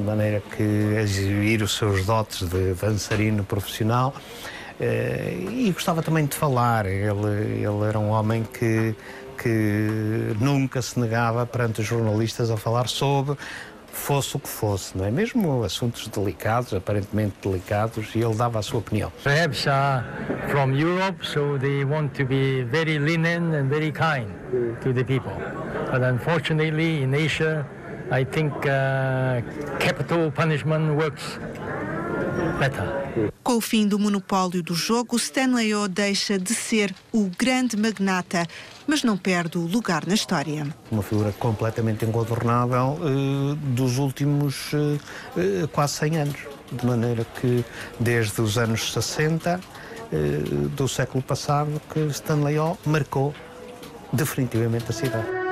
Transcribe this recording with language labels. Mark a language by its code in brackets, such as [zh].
[pt] maneira que exibir os seus dotes de dançarino profissional. E gostava também de falar. Ele era um homem que nunca se negava perante os jornalistas a falar sobre, fosse o que fosse, não é? Mesmo assuntos delicados, aparentemente delicados, e ele dava a sua opinião. [en] Perhaps from Europe, so they want to be very lenient and very kind to the people. But unfortunately, in Asia, I think capital punishment works better. [pt] Com o fim do monopólio do jogo, Stanley Oh deixa de ser o grande magnata, mas não perde o lugar na história. Uma figura completamente incontornável dos últimos quase 100 anos, de maneira que desde os anos 60 do século passado que Stanley Oh marcou definitivamente a cidade.